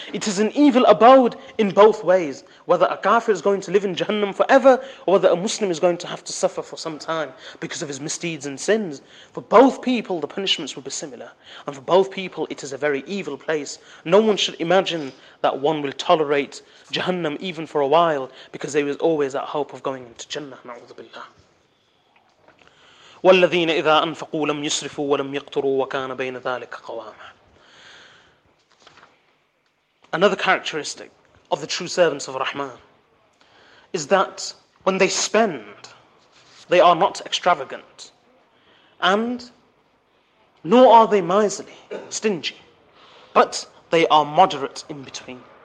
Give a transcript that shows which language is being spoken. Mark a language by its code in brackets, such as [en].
[en] It is an evil abode in both ways. Whether a kafir is going to live in Jahannam forever, or whether a Muslim is going to have to suffer for some time because of his misdeeds and sins. For both people, the punishments will be similar. And for both people, it is a very evil place. No one should imagine that one will tolerate Jahannam even for a while, because there is always that hope of going into Jannah. [ar] Na'udhu billah. والذين إذا أنفقوا لم يسرفوا ولم يقتروا وكان بين ذلك قواما. [en] Another characteristic of the true servants of Rahman is that when they spend, they are not extravagant, and nor are they miserly, stingy, but they are moderate in between.